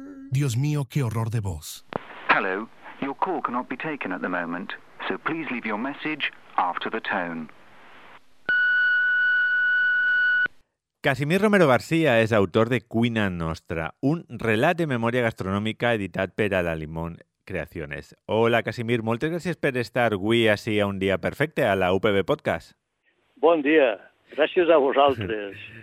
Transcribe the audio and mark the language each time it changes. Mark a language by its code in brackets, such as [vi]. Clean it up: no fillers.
[es] Dios mío, qué horror de voz. [en] Hello, your call cannot be taken at the moment, so please leave your message after the tone. [ca] Casimir Romero García és autor de Cuina Nostra, un relat de memòria gastronòmica editat per A la Limón Creaciones. Hola, Casimir, moltes gràcies per estar avui així a un dia perfecte a la UPB Podcast. Bon dia, gràcies a vosaltres.